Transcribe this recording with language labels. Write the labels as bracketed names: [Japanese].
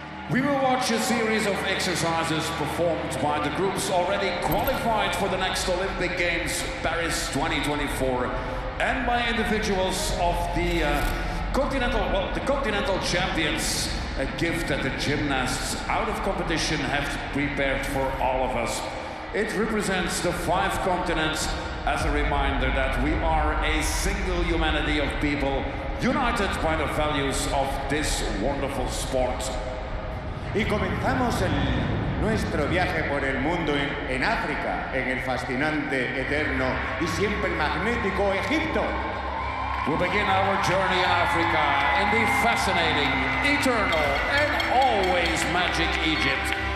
[English] We will watch a series of exercises performed by the groups already qualified for the next Olympic Games, Paris 2024, and by individuals of the continental champions, a gift that the gymnasts out of competition have prepared for all of us. It represents the five continents as a reminder that we are a single humanity of people united by the values of this wonderful sport. [Spanish] Y comenzamos nuestro viaje por el mundo en África, en el fascinante, eterno y siempre magnético Egipto. [English] We begin our journey in Africa, in the fascinating, eternal, and always magic Egypt.